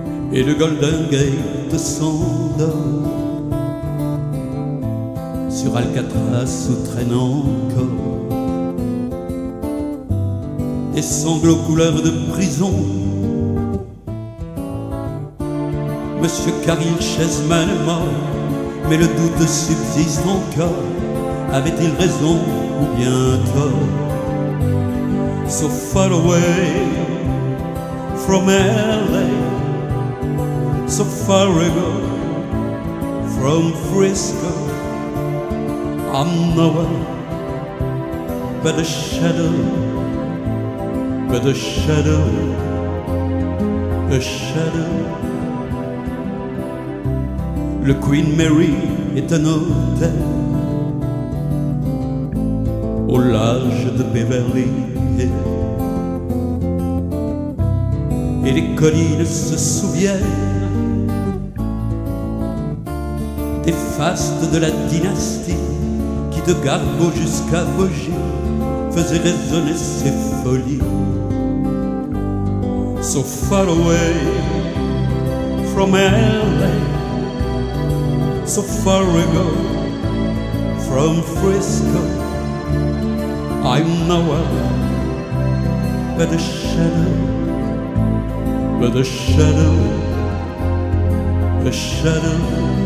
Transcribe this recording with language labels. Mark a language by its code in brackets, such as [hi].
[fr] Et le Golden Gate s'endort sur Alcatraz où traîne encore des sanglots couleur de prison. Monsieur Karim Chessman est mort, mais le doute subsiste encore. Avait-il raison ou bien tort? [en] So far away from LA, so far ago from Frisco, I'm nowhere but a shadow, but a shadow, a shadow. [fr] Le Queen Mary est un hôtel au large de Beverly Hills. Et les collines se souviennent des fastes de la dynastie qui de Garbo jusqu'à Vosges faisait résonner ses folies. [en] So far away from LA, so far ago from Frisco, I'm nowhere but a shadow, but a shadow, a shadow.